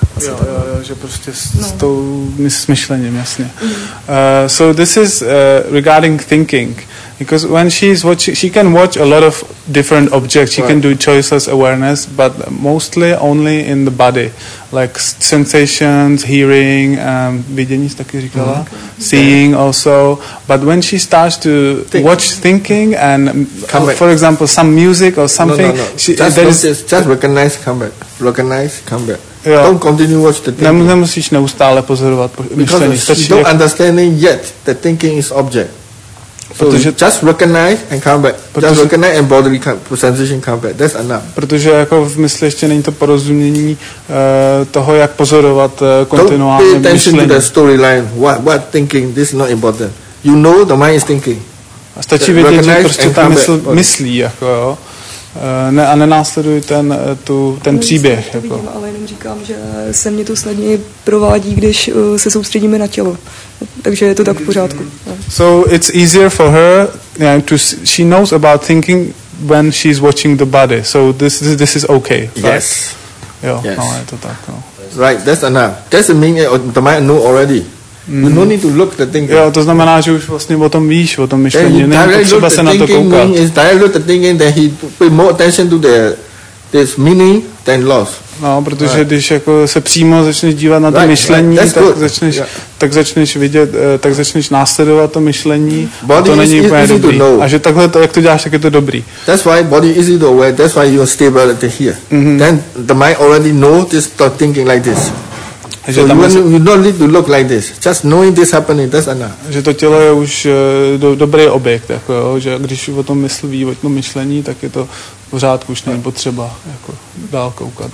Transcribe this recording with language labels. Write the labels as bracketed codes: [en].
[cs] Jo, že prostě s tou myšlením, jasně. [en] So this is regarding thinking. Because when she's watching, she can watch a lot of different objects. She can do choiceless awareness, but mostly only in the body, like sensations, hearing, [cs] vidění, taky říkala, [en] seeing also. But when she starts to watch thinking and, for example, some music or something, just recognize, come back. Yeah. Don't continue watch the thinking. [cs] Nemusíš neustále pozorovat myšlení. [en] Because she don't understand yet that thinking is object. So just recognize and come back. Just recognize and bodily sensation come back. That's enough. [cs] Protože jako v mysli ještě není to porozumění toho, jak pozorovat kontinuálně myšlení. [en] Don't pay attention to the storyline. What thinking? This is not important. You know the mind is thinking. [cs] A stačí vědět, že prostě ta mysl myslí, jako jo. Ne, a nenásleduji ten příběh. Já to vidím, ale jenom říkám, že se mě to snadněji provádí, když se soustředíme na tělo. Takže je to tak v pořádku. [en] So it's easier for her, yeah, to she knows about thinking when she's watching the body. So this is okay. Right? Yes. [cs] Jo, yes. No, je to tak. No. [en] Right, that's enough. That's the meaning the mind knows already. You no need to look the thinking. [cs] Jo, to znamená, že už vlastně o tom víš, o tom myšlení. Není potřeba se na to koukat. [en] Directly look the thinking, then he pay more attention to this meaning than loss. [cs] No, protože right. Když jako se přímo začneš dívat na to [en] right. [cs] myšlení, [en] right. [cs] Tak začneš vidět, tak začneš následovat to myšlení. To není úplně dobrý. A že takhle to, jak to děláš, tak je to dobrý. [en] That's why body is the way. That's why you are stable at here. Mm-hmm. Then the mind already know this thinking like this. [cs] Že [en] so you don't need to look like this. Just knowing this happening, that's enough. [cs] Že to tělo je už dobrý objekt, jako jo, že když o tom myslí, o tom myšlení, tak je to pořád už není potřeba jako dál koukat.